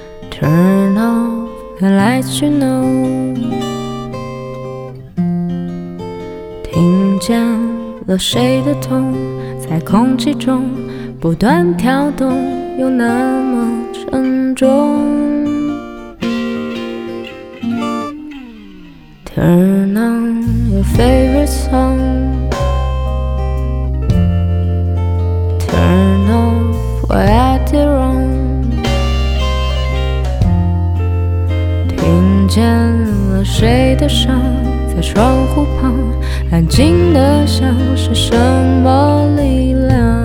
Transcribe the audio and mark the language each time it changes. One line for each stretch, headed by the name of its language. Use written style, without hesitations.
English: Turn off the lights, you know.
Chinese: 听见了谁的痛，在空气中不断跳动，又那么沉重。
English: Turn on your favorite song. Turn off what I did wrong.
Chinese: 听见了谁的伤，在窗户旁安静的想，是什么力量？